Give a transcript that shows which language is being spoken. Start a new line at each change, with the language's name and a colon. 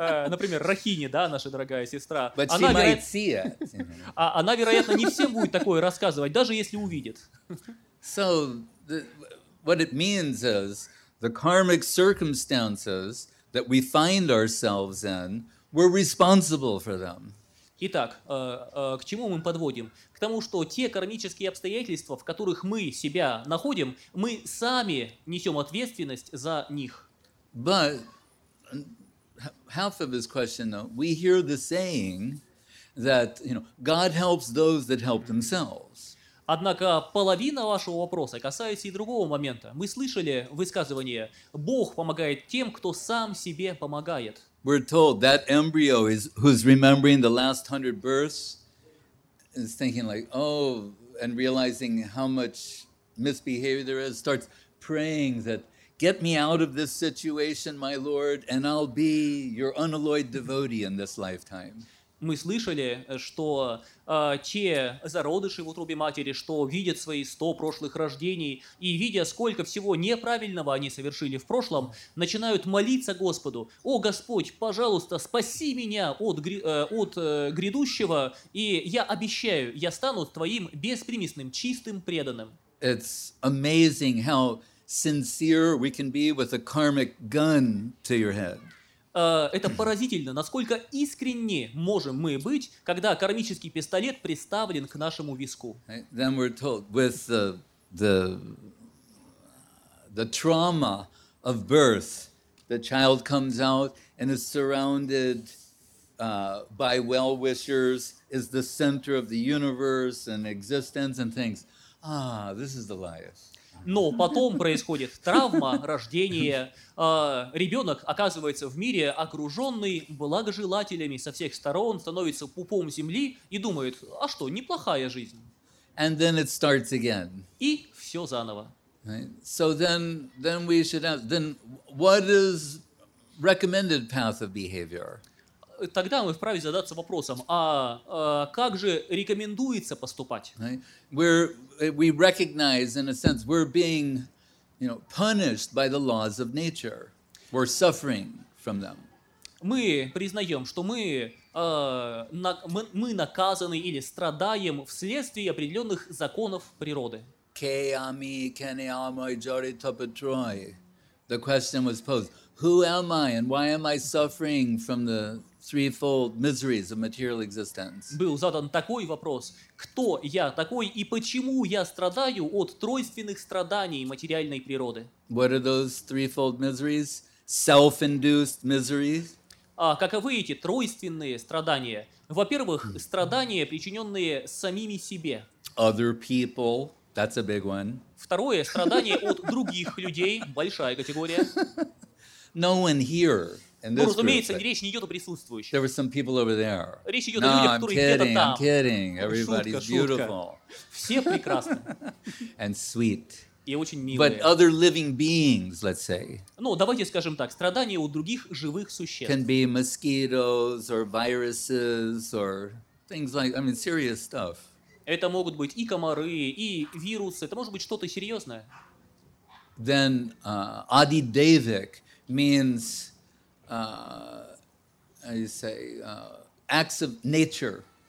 Russian: Например, Рахини, да, наша дорогая сестра.
English: But she might see it.
Russian: Она, вероятно, не всем будет такое рассказывать, даже если увидит.
English: So, what it means is the karmic circumstances that we find ourselves in, we're responsible for them.
Russian: Итак, к чему мы подводим? К тому, что те кармические обстоятельства, в которых мы себя находим, мы сами несем ответственность за них.
English: But half of his question, though, we hear the saying that, you know, God helps those that help themselves.
Russian: Однако половина вашего вопроса касается и другого момента. Мы слышали высказывание «Бог помогает тем, кто сам себе помогает».
English: We're told that embryo is who's remembering the last 100 births is thinking like, oh, and realizing how much misbehavior there is, starts praying that, get me out of this situation, my Lord, and I'll be your unalloyed devotee in this lifetime.
Russian: Мы слышали, что те зародыши в утробе матери, что видят свои 100 прошлых рождений и видя, сколько всего неправильного они совершили в прошлом, начинают молиться Господу. «О, Господь, пожалуйста, спаси меня от грядущего, и я обещаю, я стану твоим беспримесным, чистым, преданным».
English: It's amazing how sincere we can be with a karmic gun to your head.
Russian: Это поразительно, насколько искренне можем мы быть, когда кармический пистолет приставлен к нашему виску.
English: Then we're told with the trauma of birth, the child comes out and is surrounded by well-wishers, is the center of the universe and existence and thinks, ah, this is Elias.
Russian: Но потом происходит травма, рождение, ребенок оказывается в мире, окруженный благожелателями со всех сторон, становится пупом земли и думает, а что, неплохая жизнь.
English: And then it starts again.
Russian: И все заново.
English: Right. So then we should ask, then what is recommended path of behavior?
Russian: Тогда мы вправе задаться вопросом, а как же рекомендуется поступать?
English: We recognize, in a sense, we're being, you know, punished by the laws of nature. We're suffering from them.
Russian: Мы признаем, что мы наказаны или страдаем вследствие определенных законов природы. Кеами кенеамой джори топетрой.
English: The question was posed, who am I and why am I suffering from the threefold miseries of material existence.
Russian: Был задан такой вопрос: кто я такой и почему я страдаю от тройственных страданий материальной природы?
English: What are those threefold miseries? Self-induced miseries?
Russian: Каковы эти тройственные страдания? Во-первых, страдания, причиненные самими себе.
English: Other people, that's a big one.
Russian: Второе, страдания от других людей, большая категория.
English: No one here.
Russian: Ну, разумеется, речь не идет о присутствующих.
English: There were some people over there.
Russian: Речь идет о людях, которые где-то там.
English: No, I'm kidding. Everybody's beautiful.
Russian: Все прекрасны.
English: And sweet.
Russian: и очень милые.
English: But other living beings, let's say.
Russian: Ну, давайте скажем так, страдания у других живых существ.
English: Can be mosquitoes or viruses or things like, I mean, serious stuff.
Russian: Это могут быть и комары, и вирусы. Это может быть что-то серьезное.
English: Then adidevik means, how do you say, acts of nature.